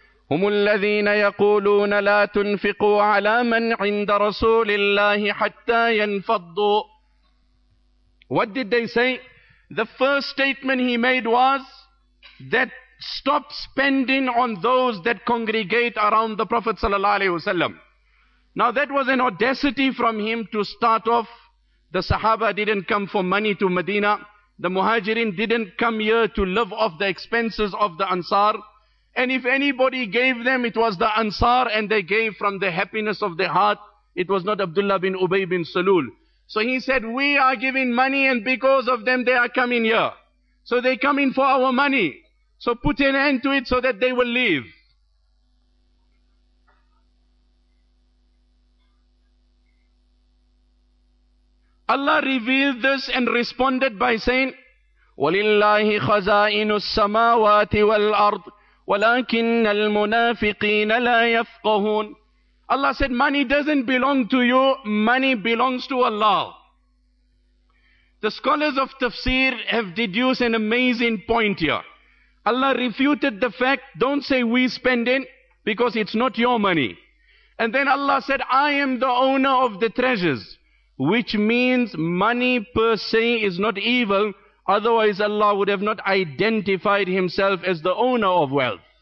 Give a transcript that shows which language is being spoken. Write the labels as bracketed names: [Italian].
[Arabic] هم الذين يقولون لا تنفقوا على من عند رسول الله حتى ينفضوا. [English] What did they say? The first statement he made was that stop spending on those that congregate around the Prophet sallallahu alaihi wasallam. Now that was an audacity from him to start off. The Sahaba didn't come for money to Medina. The Muhajirin didn't come here to live off the expenses of the Ansar. And if anybody gave them, it was the Ansar, and they gave from the happiness of their heart. It was not Abdullah bin Ubay bin Salul. So he said, we are giving money and because of them they are coming here. So they come in for our money. So put an end to it so that they will leave. Allah revealed this and responded by saying, [Arabic] وَلِلَّهِ خَزَائِنُ السَّمَاوَاتِ وَالْأَرْضِ وَلَكِنَّ الْمُنَافِقِينَ لَا يَفْقَهُونَ. [English] Allah said, money doesn't belong to you, money belongs to Allah. The scholars of tafsir have deduced an amazing point here. Allah refuted the fact, don't say we spend it, because it's not your money. And then Allah said, I am the owner of the treasures, which means money per se is not evil, otherwise Allah would have not identified himself as the owner of wealth.